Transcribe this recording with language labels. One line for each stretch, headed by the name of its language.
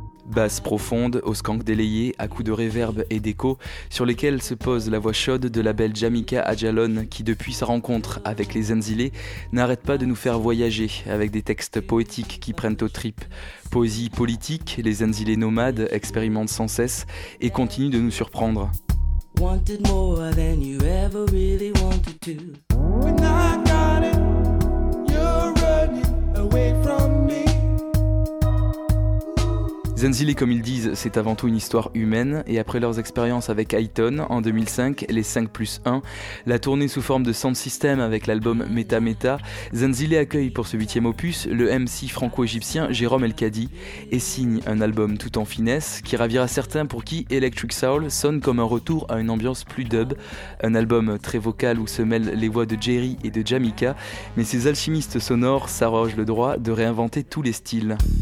French: Basses profondes, au skank délayé, à coups de réverb et d'écho, sur lesquels se pose la voix chaude de la belle Jamika Adjalon, qui depuis sa rencontre avec les Zenzile, n'arrête pas de nous faire voyager avec des textes poétiques qui prennent aux tripes. Poésie politique, les Zenzile nomades expérimentent sans cesse et continuent de nous surprendre.
English: Wanted more than you ever really wanted to. When I got it, you're running away from me.
French: Zenzile, comme ils disent, c'est avant tout une histoire humaine, et après leurs expériences avec Ayton en 2005, les 5+1, la tournée sous forme de Sound System avec l'album Meta Meta, Zenzile accueille pour ce 8e opus le MC franco-égyptien Jérôme Elkadi et signe un album tout en finesse qui ravira certains pour qui Electric Soul sonne comme un retour à une ambiance plus dub, un album très vocal où se mêlent les voix de Jerry et de Jamika, mais ces alchimistes sonores s'arrogent le droit de réinventer tous les styles.